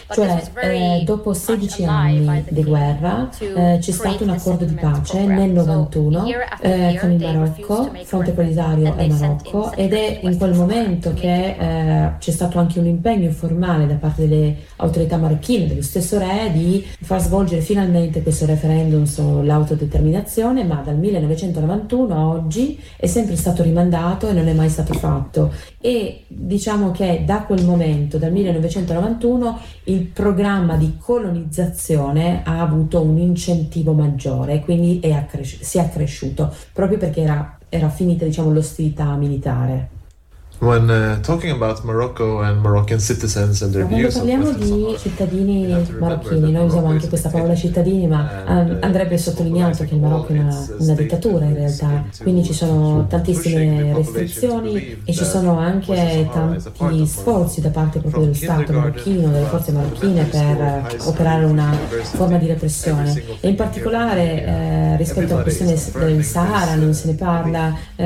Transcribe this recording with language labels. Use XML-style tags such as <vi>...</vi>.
<it>Cioè, dopo 16 anni di guerra c'è stato un accordo di pace nel 91 con il Marocco, Fronte Polisario e Marocco, ed è in quel momento che c'è stato anche un impegno formale da parte delle autorità marocchine, dello stesso re, di far svolgere finalmente questo referendum sull'autodeterminazione, ma dal 1991 a oggi è sempre stato rimandato e non è mai stato fatto. E diciamo che da quel momento, dal 1991, il programma di colonizzazione ha avuto un incentivo maggiore, quindi si è accresciuto, proprio perché era finita, diciamo, l'ostilità militare.</it> <en>When talking about Morocco and Moroccan citizens and their views,</en> <it>quando parliamo di cittadini marocchini, noi usiamo anche questa parola cittadini, ma andrebbe sottolineato che il Marocco è una dittatura in realtà, quindi ci sono tantissime restrizioni e ci sono anche tanti sforzi da parte proprio dello Stato marocchino, delle forze marocchine, per operare una forma di repressione, e in particolare rispetto alla questione del Sahara non se ne parla,</it>